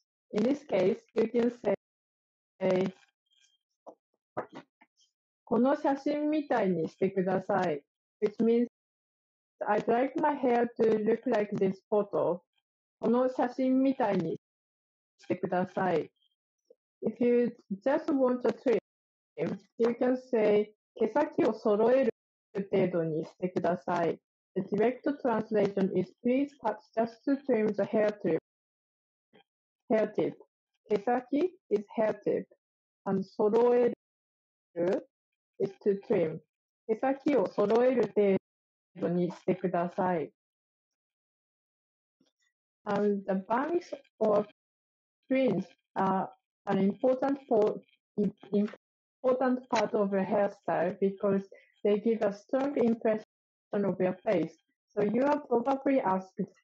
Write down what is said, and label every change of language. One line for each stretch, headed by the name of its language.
English: In this case, you can say,
Japanese: この写真みたいにしてください。
English: Which means I'd like my hair to look like this photo.
Japanese: この写真みたいにしてください。
English: If you just want a trim, you can say
Japanese: 毛先を揃える程度にしてください。
English: The direct translation is please cut just to trim the hair tip. Hair tip. 毛先 is hair tip. And 揃える is to trim.
Japanese: 毛先を揃える程度にしてください。
English: And the bangs or fringes are an important part of your hairstyle because they give a strong impression of your face. So you are probably asked.